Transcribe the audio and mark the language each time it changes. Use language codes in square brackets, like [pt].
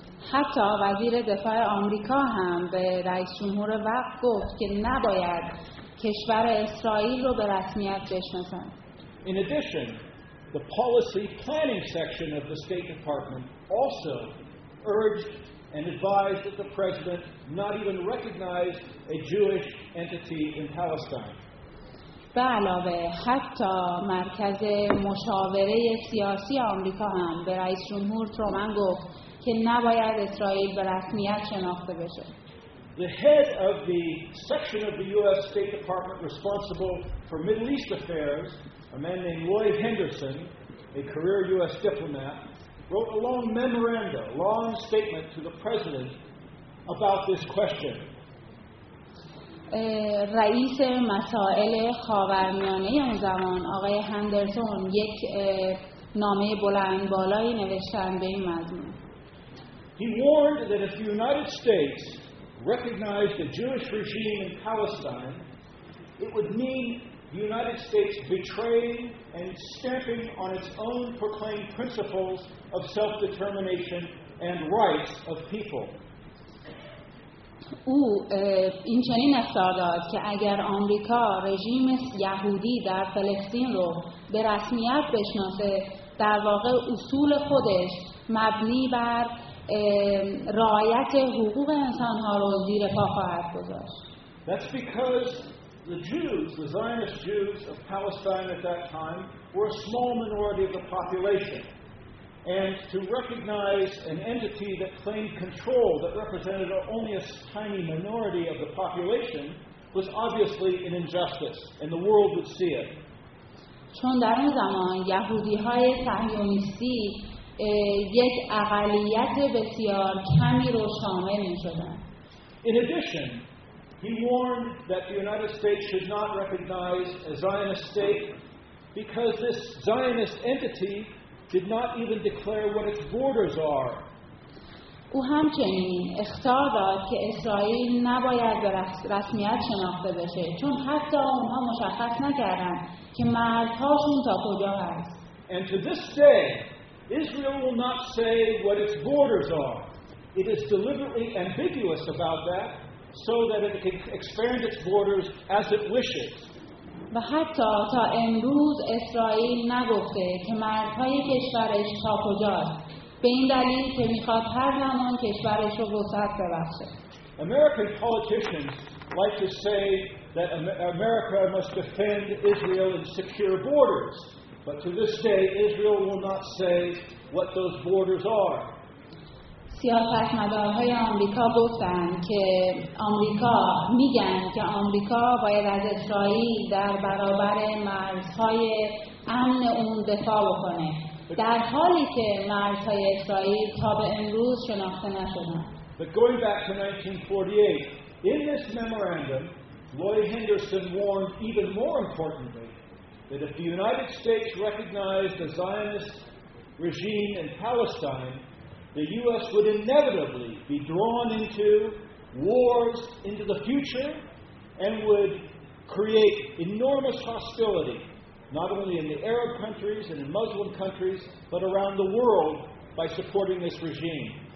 [fa] حتی وزیر دفاع آمریکا هم به رئیس جمهور وقت گفت که نباید کشور اسرائیل رو به رسمیت بشناسن. [en] In addition, the policy planning section of the State Department also urged and advised that the president not even recognize a Jewish entity in Palestine. [fa] به علاوه حتی مرکز مشاوره سیاسی آمریکا هم به رئیس جمهور ترومن گفت که نباید اسرائیل به رسمیت شناخته بشه. [en] The head of the section of the US State Department responsible for Middle East affairs, a man named Lloyd Henderson, a career US diplomat, wrote a long memorandum, a long statement to the president about this question. [fa] رئیس مسائل خاورمیانه اون زمان آقای هندرسون یک نامه بلند بالایی نوشتن به این مضمون. [en] He warned that if the United States recognized a Jewish regime in Palestine, it would mean the United States betraying and stamping on its own proclaimed principles of self-determination and rights of people. [fa] او این چنین افتاداد که اگر آمریکا رژیم یهودی در فلسطین رو به رسمیت بشناسه، در واقع اصول خودش مبنی بر رعایت حقوق انسانها رو زیر پا خواهد گذاشت. [en] That's because the Jews, the Zionist Jews of Palestine at that time, were a small minority of the population. And to recognize an entity that claimed control that represented only a tiny minority of the population was obviously an injustice, and the world would see it. [fa] چون در اون زمان یهودی‌های صهیونیستی یک اقلیت بسیار کمی رو شامل می‌شدند. [en] In addition, he warned that the United States should not recognize a Zionist state because this Zionist entity did not even declare what its borders are. [fa] او همچنین اخطار داد که اسرائیل نباید به رسمیت شناخته بشه چون حتی اونها مشخص نکردن که مرزهاشون تا کجا هست. [en] And to this day, Israel will not say what its borders are. It is deliberately ambiguous about that so that it can expand its borders as it wishes. [fa] و حتی تا امروز اسرائیل نگفته که مرزهای کشورش تا کجاست، به این دلیل که میخواد هر زمان کشورش رو وسعت ببخشه. [en] American politicians like to say that America must defend Israel and secure borders, but to this day Israel will not say what those borders are. [fa] سیاستمدارهای آمریکا گفتند که آمریکا میگن که آمریکا باید از اسرائیل در برابر مرزهای امن اون دفاع بکنه، در حالی که مرزهای اسرائیل تا به امروز شناخته نشدن. [en] But going back to 1948, in this memorandum, Lloyd Henderson warned even more importantly that if the United States recognized the Zionist regime in Palestine, the U.S. would inevitably be drawn into wars into the future and would create enormous hostility, not only in the Arab countries and in Muslim countries, but around the world by supporting this regime.